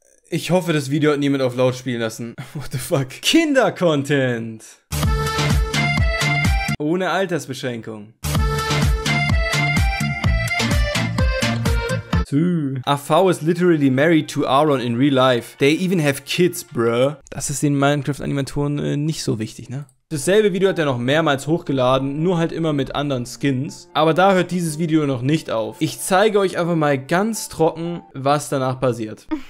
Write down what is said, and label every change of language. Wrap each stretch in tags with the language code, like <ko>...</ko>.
<de>Ich hoffe, das Video hat niemand auf laut spielen lassen.</de> <en>What the fuck?</en> <de>Kinder-Content! Ohne Altersbeschränkung.</de> <en>AV is literally married to Aaron in real life. They even have kids, bruh.</en> <de>Das ist den Minecraft-Animatoren nicht so wichtig, ne? Dasselbe Video hat er noch mehrmals hochgeladen, nur halt immer mit anderen Skins. Aber da hört dieses Video noch nicht auf. Ich zeige euch einfach mal ganz trocken, was danach passiert.</de>